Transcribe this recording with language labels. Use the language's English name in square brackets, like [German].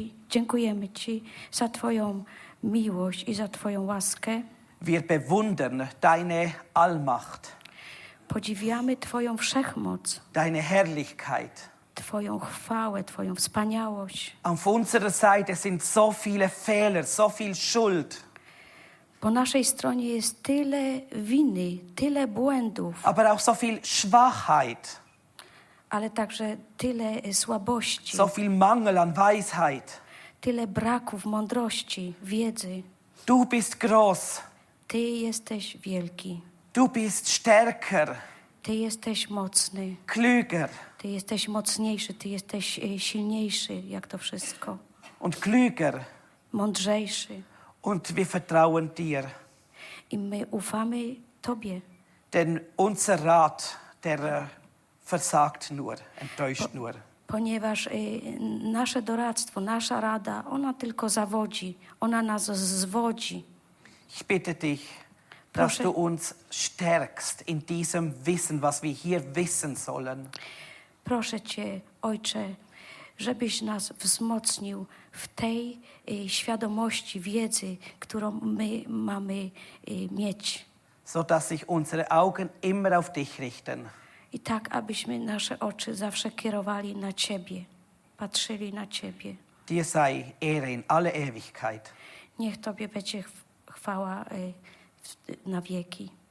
[Polish] Dziękujemy ci za twoją miłość i za twoją łaskę. [German] Wir bewundern deine Allmacht. [Polish] Podziwiamy twoją wszechmoc. [German] Deine Herrlichkeit. [Polish] Twoją chwałę, twoją wspaniałość. [German] Auf unserer Seite sind so viele Fehler, so viel Schuld. [Polish] Po naszej stronie jest tyle winy, tyle błędów. [German] Aber auch so viel Schwachheit. [Polish] Ale także tyle słabości. [German] So viel Mangel an Weisheit. [Polish] Tyle braków mądrości, wiedzy. [German] Du bist groß. [Polish] Ty jesteś wielki. [German] Du bist stärker. [Polish] Ty jesteś mocny. [German] Klüger. [Polish] Ty jesteś mocniejszy, ty jesteś silniejszy, jak to wszystko. [German] Und klüger. [Polish] Mądrzejszy. [German] Und wir vertrauen dir. [Polish] I my ufamy Tobie. [German] Denn unser Rat, der versagt nur, enttäuscht nur. [Polish] Ponieważ nasze doradztwo, nasza rada, ona tylko zawodzi, ona nas zwodzi. [German] Ich bitte dich, dass du uns stärkst in diesem Wissen, was wir hier wissen sollen. [Polish] Proszę Cię, Ojcze, żebyś nas wzmocnił w tej świadomości, wiedzy, którą my mamy mieć. [German] So dass sich unsere Augen immer auf dich richten. [Polish] I tak, abyśmy nasze oczy zawsze kierowali na Ciebie, patrzyli na Ciebie. [German] Dir sei Ehre in alle Ewigkeit. [Polish] Niech Tobie będzie chwała na wieki.